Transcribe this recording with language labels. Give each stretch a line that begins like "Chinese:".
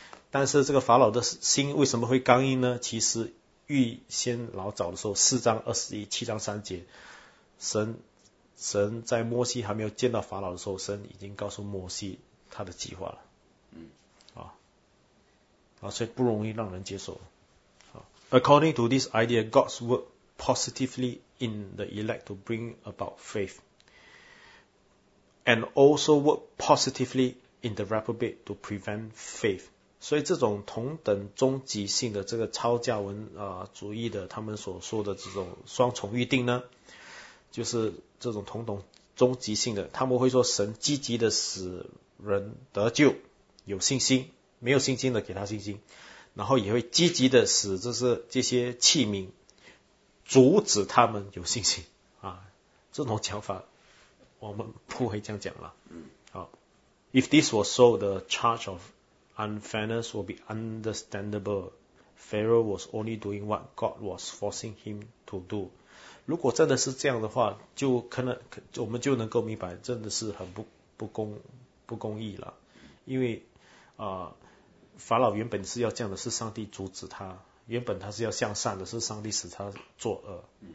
Chinese: 但是这个法老的心为什么会刚硬呢？其实预先老早的时候，四章二十一、七章三节，神在摩西还没有见到法老的时候，神已经告诉摩西他的计划了。嗯，所以不容易让人接受。
English: According to this idea, God's work positively in the elect to bring about faith, and also work positively in the reprobate to prevent faith.
Chinese: 所以这种同等终极性的这个超教文主义的他们所说的这种双重预定呢，就是这种同等终极性的，他们会说神积极的使人得救，有信心，没有信心的给他信心。然后也会积极的使这些器皿阻止他们有信心啊，这种讲法我们不会这样讲了。嗯，
English: 好 ，If this was so, the charge of unfairness would be understandable. Pharaoh was only doing what God was forcing him to do.
Chinese: 如果真的是这样的话，就可能我们就能够明白，真的是很不公义了，因为法老原本是要这样的，是上帝阻止他，原本他是要向善的，是上帝使他作恶。